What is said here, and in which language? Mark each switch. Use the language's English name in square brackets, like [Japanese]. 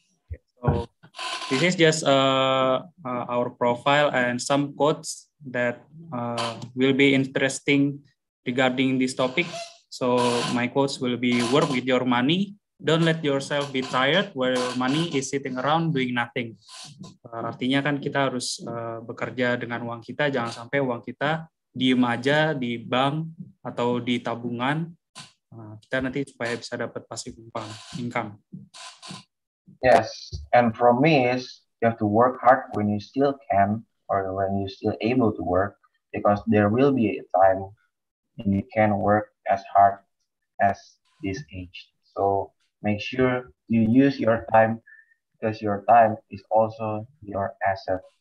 [English] Okay, so this is just our profile and some quotes that will be interesting regarding this topic. So my quotes will be, work with your money. Don't let yourself be tired while your money is sitting around doing nothing. [Indonesian] Artinya kan kita harus bekerja dengan uang kita, jangan sampai uang kita diem aja di bank atau di tabungan. Kita nanti supaya bisa dapat passive income. [English] Yes, and from me is you have to work hard when you still can or when you still able to work, because there will be a time when you can work as hard as this age. So make sure you use your time, because your time is also your asset.